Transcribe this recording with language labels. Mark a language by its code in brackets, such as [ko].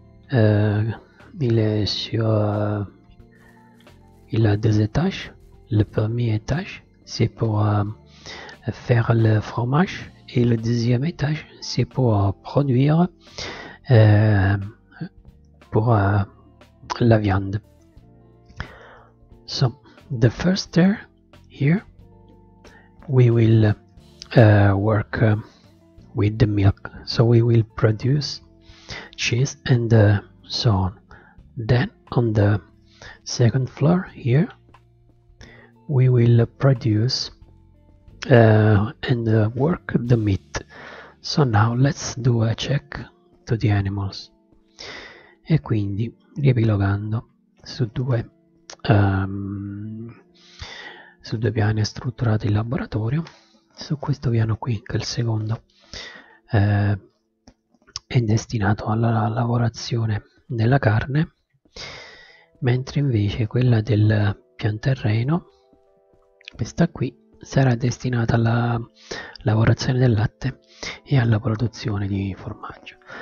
[fr] Il est sur il a deux étages. Le premier étage, c'est pour faire le fromage, et le deuxième étage, c'est pour produire pour la viande. [en] So the first stair here, we will work with the milk. So we will produce cheese and so on. Then on the second floor here, we will produce and work the meat. So now let's do a check to the animals. [it] E quindi riepilogando su due su due piani strutturati il laboratorio, su questo piano qui, che è il secondo, è destinato alla lavorazione della carne, mentre invece quella del pian terreno, questa qui, sarà destinata alla lavorazione del latte e alla produzione di formaggio.